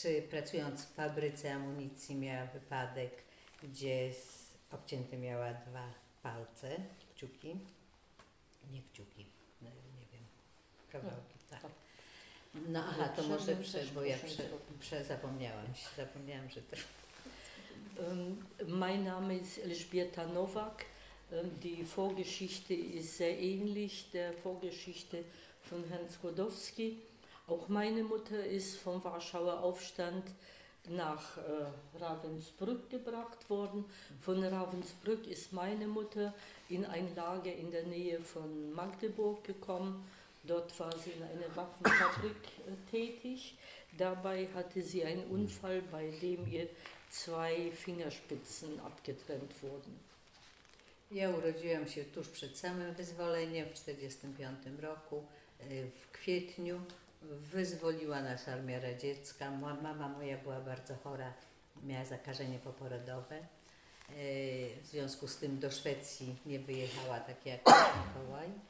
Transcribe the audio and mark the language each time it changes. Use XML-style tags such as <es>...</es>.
<pl>Pracując w fabryce amunicji miała wypadek, gdzie obcięte miała dwa palce, kciuki. Nie kciuki, no, nie wiem, kawałki, tak. No aha, to może zapomniałam, że to...</pl> <de>Mein Name ist Elżbieta Nowak. Die Vorgeschichte ist sehr ähnlich der Vorgeschichte von Herrn Skłodowski. Auch meine Mutter ist vom Warschauer Aufstand nach Ravensbrück gebracht worden. Von Ravensbrück ist meine Mutter in ein Lager in der Nähe von Magdeburg gekommen. Dort war sie in einer Waffenfabrik tätig. Dabei hatte sie einen Unfall, bei dem ihr zwei Fingerspitzen abgetrennt wurden.</de> <pl>Ja urodziłam się tuż przed samym wyzwoleniem, w 1945 roku, w kwietniu. Wyzwoliła nas armia radziecka. Mama moja była bardzo chora, miała zakażenie poporodowe. W związku z tym do Szwecji nie wyjechała, tak jak Mikołaj.</pl>